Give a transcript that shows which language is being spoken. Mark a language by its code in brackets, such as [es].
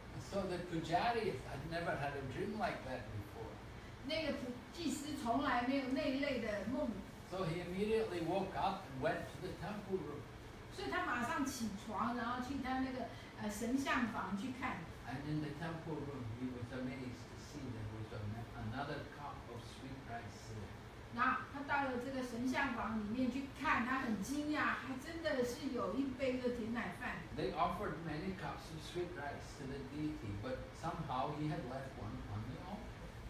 [en] So the pujari had never had a dream like that before. [zh] 那个祭司从来没有那一类的梦。 [en] So he immediately woke up and went to the temple room. [zh] 所以他马上起床，然后去他那个神像房去看。 [en] And in the temple room, he was amazed to see there was another cup of sweet rice there. [zh] 那他到了这个神像房里面去看，他很惊讶，还真的是有一杯的甜奶饭。 [en] They offered many cups of sweet rice to the deity, but somehow he had left one on the altar.